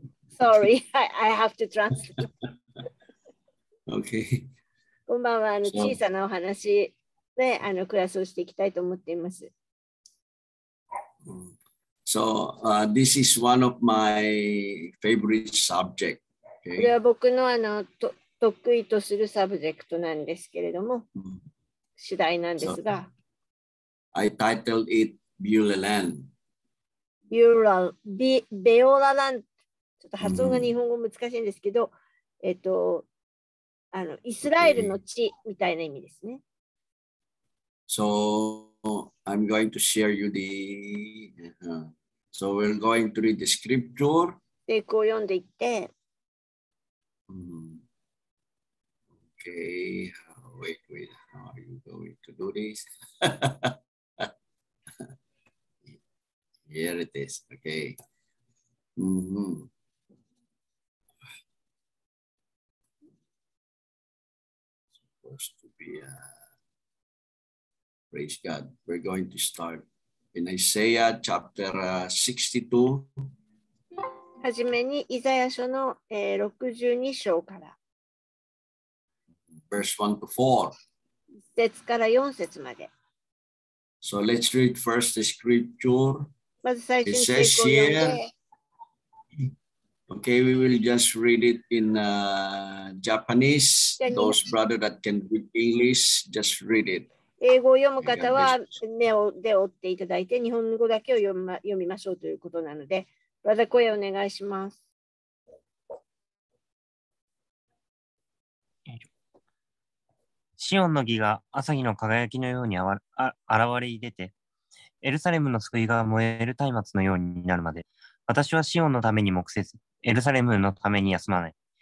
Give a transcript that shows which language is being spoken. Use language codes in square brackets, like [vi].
[en] Sorry, I have to translate. Okay. [ja] こんばんは。小さなお話でクラスをしていきたいと思っています。 [en] So, this is one of my favorite subjects. [ja] これは僕の得意とするサブジェクトなんですけれども、主題なんですが。 [en] I titled it Beulah Land. [ja] Beulah Land ちょっと発音が日本語難しいんですけど、イスラエルの地みたいな意味ですね。 [en] So I'm going to share you the So we're going to read the scripture. [ja] で、こう読んでいって。 [en] Okay, wait, how are you going to do this? Here it is. Okay. Mm-hmm. Supposed to be a praise God. We're going to start in Isaiah chapter 62. [ja] はじめにイザヤ書の62章から。 [en] Verse 1 to 4. [ja] 一節から四節まで。 [en] So let's read first the scripture. It says here, okay, we will just read it in Japanese. Those brothers that can read English, just read it. [ja] 英語を読む方は目を追っていただいて、日本語だけを読みましょうということなので、Brother Koya、お願いします。シオンの義が朝日の輝きのように現れ出て、エルサレムの救いが燃える松明のようになるまで、私はシオンのために黙せず、エルサレムのために休まない。